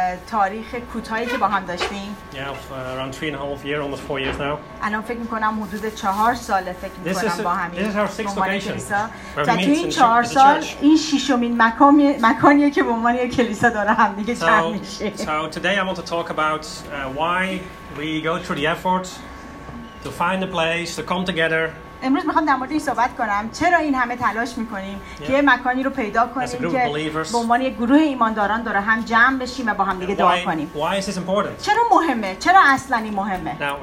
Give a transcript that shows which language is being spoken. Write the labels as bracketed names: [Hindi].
[Persian] تاریخ کوتاهی که با هم داشتیم. [English] Yeah, around 3.5 years, almost 4 years now. [Persian] الان فکر می‌کنم حدود 4 ساله فکر می‌کنم با همین. [English] This is our sixth location. [Persian] تا تو این 4 سال این ششمین مکانیه که به عنوان یک کلیسا داره هم دیگه چرخ میشه. [English] So today I want to talk about why we go through the effort to find a place to come together. [Persian] امروز میخوام در مورد این صحبت کنم چرا این همه تلاش میکنیم که مکانی رو پیدا کنیم که به عنوان یک گروه ایمانداران داره هم جمع بشیم و با هم دیگه دعا کنیم. چرا مهمه؟ چرا اصلا این مهمه؟